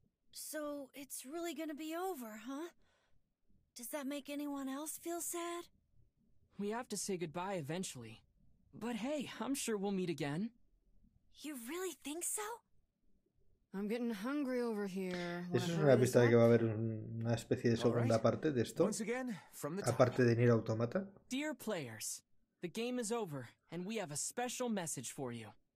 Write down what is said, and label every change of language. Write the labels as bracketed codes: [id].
[en] So, it's really gonna be over, huh? Does that make anyone else feel sad? We have to say goodbye eventually. But hey, I'm sure we'll meet again. You really think so? I'm getting hungry over here. [es] Eso es una pista de que va a haber una especie de segunda parte de esto. Aparte de Nier Automata. [en] Dear players, the game is over and we have a special message for you.